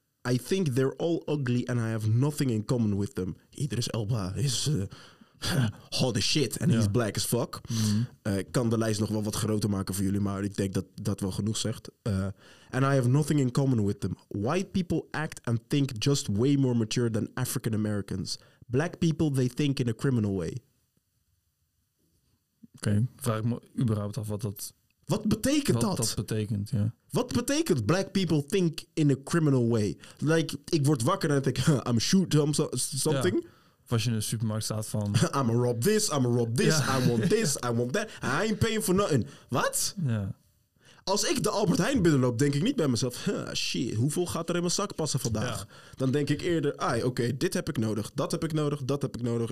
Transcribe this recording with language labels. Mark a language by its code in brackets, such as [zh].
[en] I think they're all ugly and I have nothing in common with them. Idris Elba is hot as shit and he's black as fuck. Mm-hmm. [nl] Ik kan de lijst nog wel wat groter maken voor jullie, maar ik denk dat dat wel genoeg zegt. [en] And I have nothing in common with them. White people act and think just way more mature than African Americans. Black people, they think in a criminal way. [nl] Oké, vraag ik me überhaupt af wat dat... Wat betekent dat? Wat dat betekent, ja. Wat betekent [en] black people think in a criminal way? Like, [nl] ik word wakker en denk, [en] I'm shoot something. [nl] Ja. Als je in de supermarkt staat van... [en] I'm a rob this, ja. I want this, I want that. I ain't paying for nothing. [nl] Wat? Ja. Als ik de Albert Heijn binnenloop, denk ik niet bij mezelf... shit, hoeveel gaat er in mijn zak passen vandaag? Ja. Dan denk ik eerder... Oké, dit heb ik nodig, dat heb ik nodig, dat heb ik nodig...